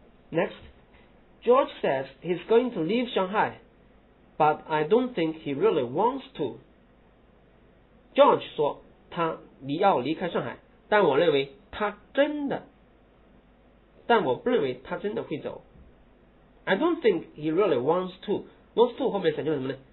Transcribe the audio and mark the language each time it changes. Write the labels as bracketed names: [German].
[English] Next， George says he's going to leave Shanghai， but I don't think he really wants to。 [Chinese] George 说他要离开上海，但我认为他真的，但我不认为他真的会走。 [English] I don't think he really wants to， wants to [Chinese] 后面省下了什么呢？